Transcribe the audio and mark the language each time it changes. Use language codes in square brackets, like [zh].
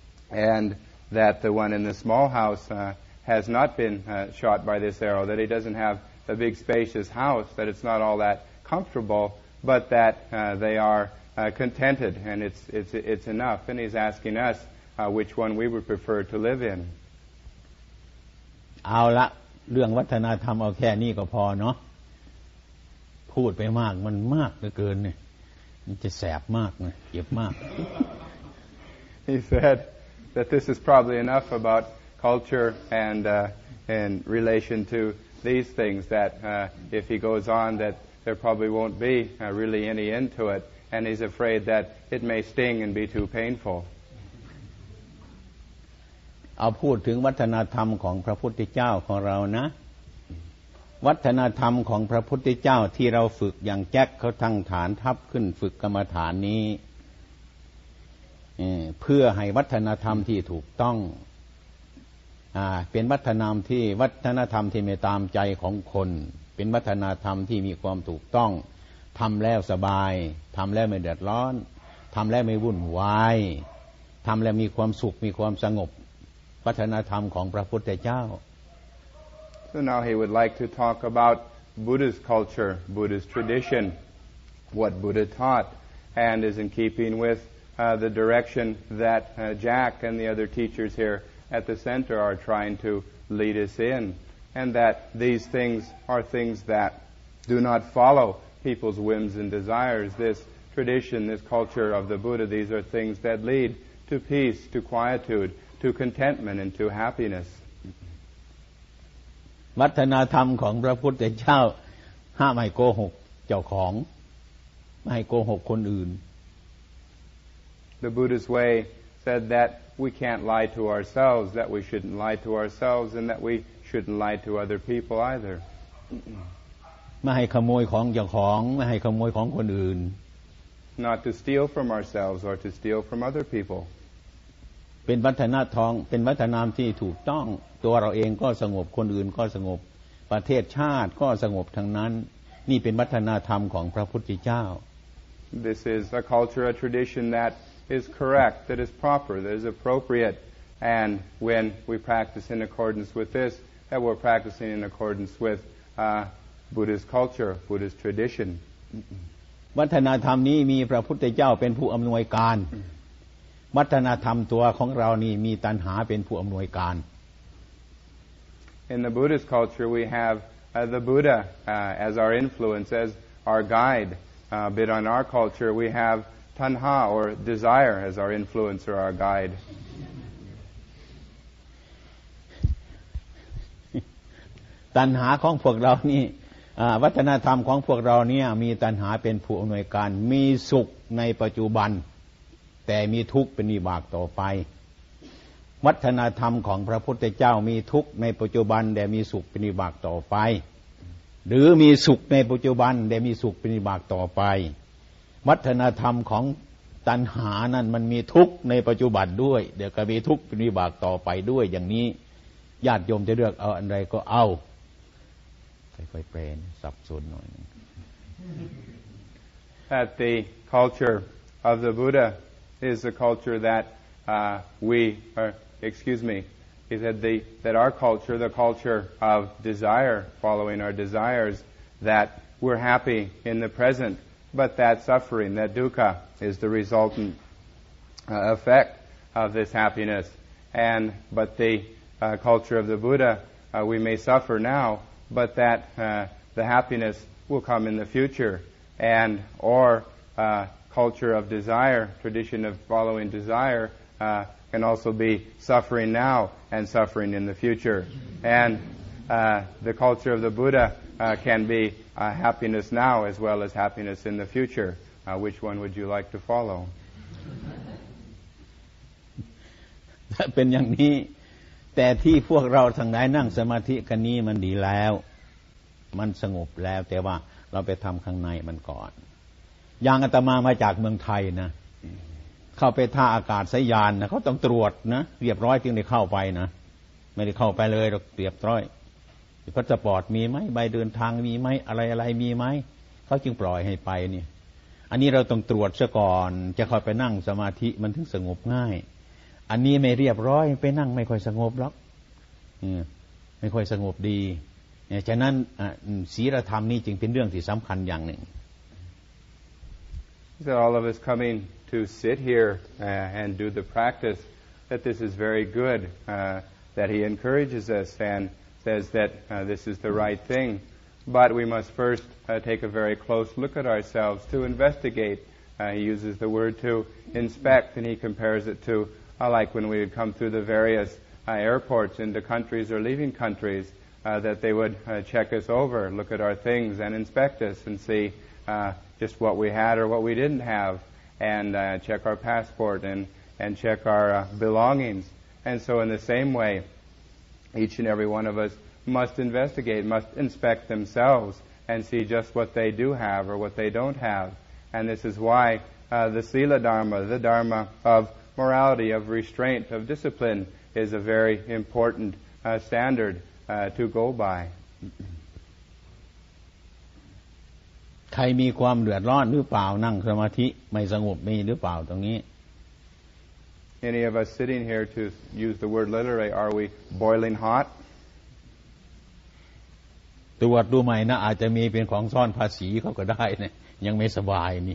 [en] And that the one in the small house has not been shot by this arrow, that he doesn't have a big spacious house, that it's not all that comfortable, but that they are contented and it's enough. And he's asking us which one we would prefer to live in. [th] เอาละเรื่องวัฒนธรรมเอาแค่นี้ก็พอเนาะพูดไปมากมันมากเหลือเกินเนี่ยมันจะแสบมากเลยเจ็บมาก [en] He saidthat this is probably enough about culture and relation to these things, that if he goes on, that there probably won't be really any end to it, and he's afraid that it may sting and be too painful. [th] เอาพูดถึงวัฒนธรรมของพระพุทธเจ้าของเรานะวัฒนธรรมของพระพุทธเจ้าที่เราฝึกอย่างแจ็คเขาทั้งฐานทับขึ้นฝึกกรรมฐานนี้ เพื่อให้วัฒนธรรมที่ถูกต้องเป็นวัฒนธรรมที่ไม่ตามใจของคนเป็นวัฒนธรรมที่มีความถูกต้องทำแล้วสบายทำแล้วไม่เดือดร้อนทำแล้วไม่วุ่นวายทำแล้วมีความสุขมีความสงบวัฒนธรรมของพระพุทธเจ้า [en] So now he would like to talk about Buddhist culture, Buddhist tradition, what Buddha taught, and is in keeping withthe direction that Jack and the other teachers here at the center are trying to lead us in, and that these things are things that do not follow people's whims and desires. This tradition, this culture of the Buddha, these are things that lead to peace, to quietude, to contentment, and to happiness. [th] วัฒนธรรมของพระพุทธเจ้าห้ามให้โกหกเจ้าของไม่ให้โกหกคนอื่น [en] The Buddha's way said that we can't lie to ourselves, that we shouldn't lie to ourselves, and that we shouldn't lie to other people either. [th] ไม่ให้ขโมยของเจ้าของไม่ให้ขโมยของคนอื่น [en] Not to steal from ourselves or to steal from other people. [th] เป็นวัฒนธรรมเป็นวัฒนธรรมที่ถูกต้องตัวเราเองก็สงบคนอื่นก็สงบประเทศชาติก็สงบทั้งนั้นนี่เป็นวัฒนธรรมของพระพุทธเจ้า [en] This is a culture, a tradition thatis correct, that is proper, that is appropriate, and when we practice in accordance with this, that we're practicing in accordance with Buddhist culture, Buddhist tradition. [th] วัฒนธรรมนี้มีพระพุทธเจ้าเป็นผู้อำนวยการวัฒนธรรมตัวของเรานี่มีตัณหาเป็นผู้อำนวยการ [en] In the Buddhist culture we have the Buddha as our influence as our guide but in our culture we have tanha or desire as our influence or our guide [th] ตัณหาของพวกเรานี่วัฒนธรรมของพวกเราเนี่ยมีตัณหาเป็นผู้อำนวยการมีสุขในปัจจุบันแต่มีทุกข์เป็นวิบากต่อไป วัฒนธรรมของพระพุทธเจ้ามีทุกข์ในปัจจุบันแต่มีสุขเป็นวิบากต่อไปหรือมีสุขในปัจจุบันแต่มีสุขเป็นวิบากต่อไปวัฒนธรรมของตัณหานั่นมันมีทุกข์ในปัจจุบันด้วยเดี๋ยวก็มีทุกข์เป็นวิบากต่อไปด้วยอย่างนี้ญาติโยมจะเลือกเอาอันใดก็เอาค่อยๆแปลสับสนหน่อย [en] At the culture of the Buddha is a culture that that our culture, the culture of desire, following our desires, that we're happy in the present, but that suffering, that dukkha, is the resultant effect of this happiness. And but the culture of the Buddha, we may suffer now, but that the happiness will come in the future. And or culture of desire, tradition of following desire, can also be suffering now and suffering in the future. And the culture of the Buddha can be happiness now as well as happiness in the future. Which one would you like to follow? That [th] เป็นอย่างนี้แต่ที่พวกเราทั้งหลายนั่งสมาธิกันนี้มันดีแล้วมันสงบแล้วแต่ว่าเราไปทำข้างในมันก่อนอย่างอาตมามาจากเมืองไทยนะ เข้าไปท่าอากาศยานนะเขาต้องตรวจนะเรียบร้อยจึงได้เข้าไปนะไม่ได้เข้าไปเลยหรอกเรียบร้อยพาสปอร์ตมีไหมใบเดินทางมีไหมอะไรอะไรมีไหมเขาจึงปล่อยให้ไปนี่อันนี้เราต้องตรวจซะก่อนจะเข้าไปนั่งสมาธิมันถึงสงบง่ายอันนี้ไม่เรียบร้อยไปนั่งไม่ค่อยสงบหรอกไม่ค่อยสงบดีฉะนั้นศีลธรรมนี่จึงเป็นเรื่องที่สำคัญอย่างหนึ่ง [en] That all of us coming to sit here and do the practice, that this is very good, that he encourages us and says that this is the right thing. But we must first take a very close look at ourselves to investigate. He uses the word to inspect, and he compares it to like when we would come through the various airports into countries or leaving countries, that they would check us over, look at our things and inspect us and see just what we had or what we didn't have, and check our passport and check our belongings. And so in the same way, each and every one of us must investigate, must inspect themselves and see just what they do have or what they don't have. And this is why the Sila Dharma, the Dharma of morality, of restraint, of discipline, is a very important standard to go by. [th] ใครมีความเดือดร้อนหรือเปล่านั่งสมาธิไม่สงบมีหรือเปล่าตรงนี้ [en] Any of us sitting here to use the word literally are we boiling hot [th] ตรวจดูใหม่นะอาจจะมีเป็นของซ่อนภาษีเขาก็ได้นะยังไม่สบายนี